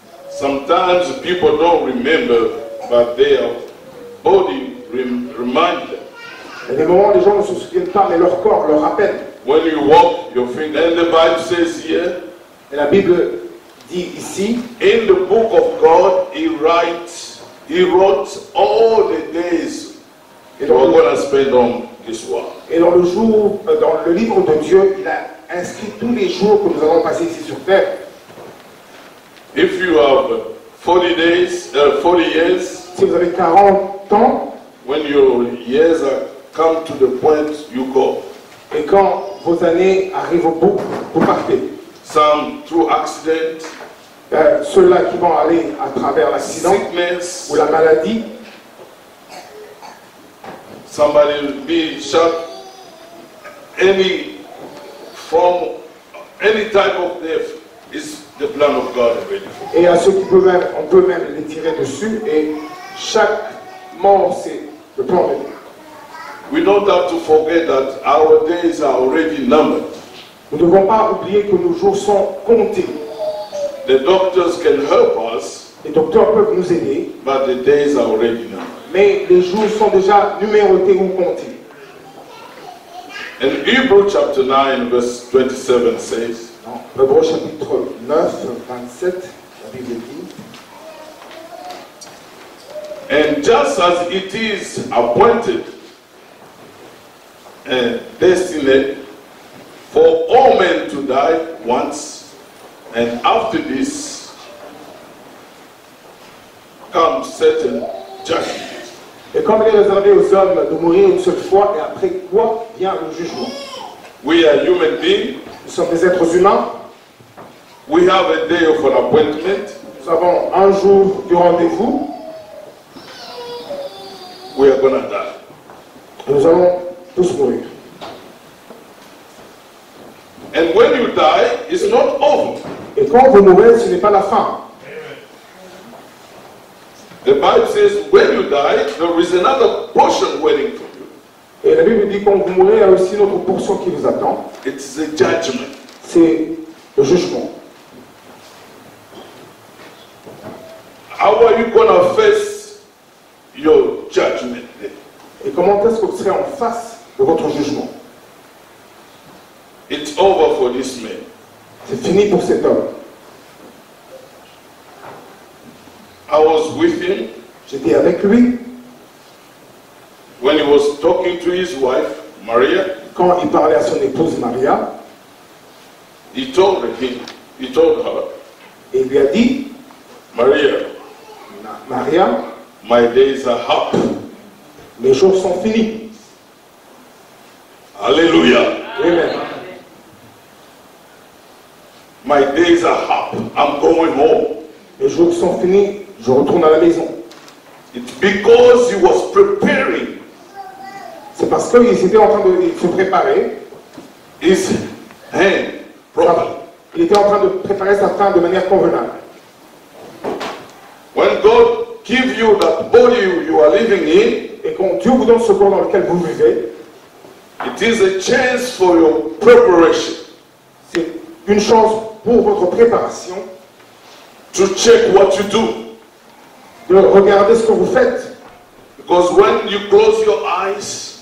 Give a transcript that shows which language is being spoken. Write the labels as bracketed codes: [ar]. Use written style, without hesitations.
[en] Sometimes people don't remember, but their body reminds them. [fr] Et des moments, les gens ne se souviennent pas, mais leur corps leur rappelle. [en] When you walk, your finger. And the Bible says here. [fr] Et la Bible dit ici. [en] In the book of God, He wrote all the days. [fr] Et dans, [en] we're going to spend on this one. [fr] Et dans le jour, dans le livre de Dieu, il a inscrit tous les jours que nous allons passer ici sur terre. [en] If you have 40 days, 40 years. [fr] Si vous avez 40 ans. [en] When your years are come to the point you go. [fr] Et quand vos années arrivent au bout, vous partez. [en] Some through accident. [fr] Ceux-là qui vont aller à travers l'accident. [en] Sickness. [fr] Ou la maladie. [en] Somebody will be shot. Any form, any type of death is the plan of God already. [fr] Et à ceux qui peuvent même, on peut même les tirer dessus et chaque mort c'est le plan de Dieu. [en] We don't have to forget that our days are already numbered. [fr] Nous ne devons pas oublier que nos jours sont comptés. [en] The doctors can help us. [fr] Les docteurs peuvent nous aider. [en] But the days are already numbered. [fr] Mais les jours sont déjà numérotés ou comptés. [en] In Hebrews chapter 9 verse 27 says. [fr] Hébreux chapitre 9 27 la Bible dit. [en] And just as it is appointed and destined for all men to die once, and after this comes certain judgment. [fr] Et comme il est réservé aux hommes de mourir une seule fois, et après quoi vient le jugement? [en] We are human beings. [fr] Nous sommes des êtres humains. [en] We have a day of an appointment. [fr] Nous avons un jour de rendez-vous. [en] We are going to die. [fr] Nous allons tous mourir. [en] And when you die, it's not over. [fr] Et quand vous mourrez, ce n'est pas la fin. [en] The Bible says, when you die, there is another portion waiting for you. [fr] Et la Bible dit quand vous mourrez, il y a aussi une autre portion qui vous attend. [en] It's a judgment. [fr] C'est le jugement. [en] How are you going to face your judgment then? [fr] Et comment est-ce que vous serez en face de votre jugement? [en] It's over for this man. [fr] C'est fini pour cet homme. [en] I was with him. [fr] J'étais avec lui. [en] When he was talking to his wife, Maria. [fr] Quand il parlait à son épouse Maria. [en] He told her. [fr] Et il lui a dit. [en] Maria. My days are up. [fr] Mes jours sont finis. Alléluia. Amen. [en] My days are up. I'm going home. [fr] Mes jours sont finis. Je retourne à la maison. [en] It's because he was preparing. [fr] C'est parce qu'il était en train de se préparer. [en] His hand properly. [fr] Il était en train de préparer sa fin de manière convenable. [en] When God gives you that body you are living in, [fr] et quand Dieu vous donne ce corps dans lequel vous vivez, [en] it is a chance for your preparation. [fr] C'est une chance pour votre préparation, [en] to check what you do, [fr] de regarder ce que vous faites, [en] because when you close your eyes,